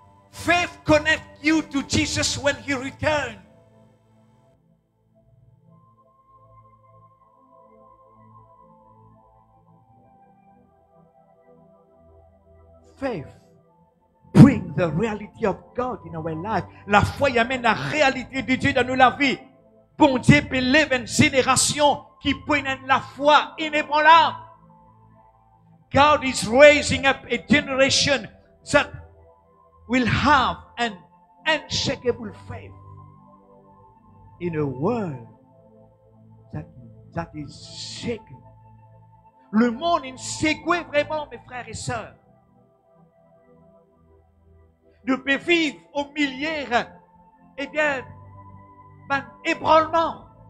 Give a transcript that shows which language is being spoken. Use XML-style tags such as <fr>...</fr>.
<en>Faith connect you to Jesus when he returns. Faith bring the reality of God in our life.</en> <fr>La foi y amène la réalité de Dieu dans nos vies. Bon Dieu peut lever une génération qui peut la foi inébranlable. God is raising up a generation that will have an unshakable faith in a world that is shaken. Le monde est secoué vraiment, mes frères et sœurs. Nous pouvons vivre au milieu, eh bien, d'un ébranlement.</fr>